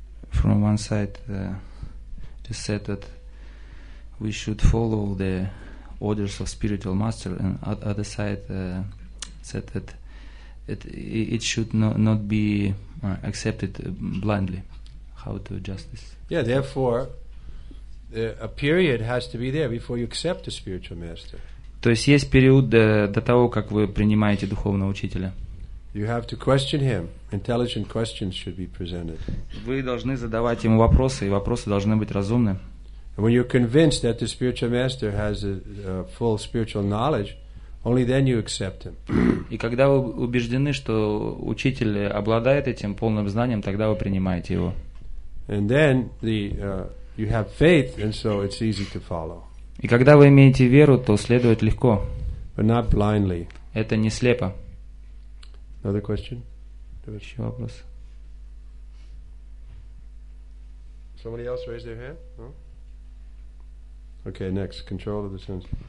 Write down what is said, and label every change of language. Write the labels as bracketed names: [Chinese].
[English] From one side, they said that we should follow the orders of spiritual master, and other side said that it should not be accepted blindly. How to adjust this? Yeah, therefore, a period has to be there before you accept the spiritual master. [Russian] То есть есть период до того, как вы принимаете духовного учителя. [English] You have to question him. Intelligent questions should be presented. [Russian] Вы должны задавать ему вопросы, и вопросы должны быть разумны. [English] When you're convinced that the spiritual master has a full spiritual knowledge, only then you accept him. [Russian] И когда вы убеждены, что учитель обладает этим полным знанием, тогда вы принимаете его. [English] And then you have faith, and so it's easy to follow. [Russian] И когда вы имеете веру, то следовать легко. [English] But not blindly. [Russian] Это не слепо. [English] Another question? [Russian] Еще вопрос. [English] Somebody else raised their hand? No? Okay, next. Control of the senses.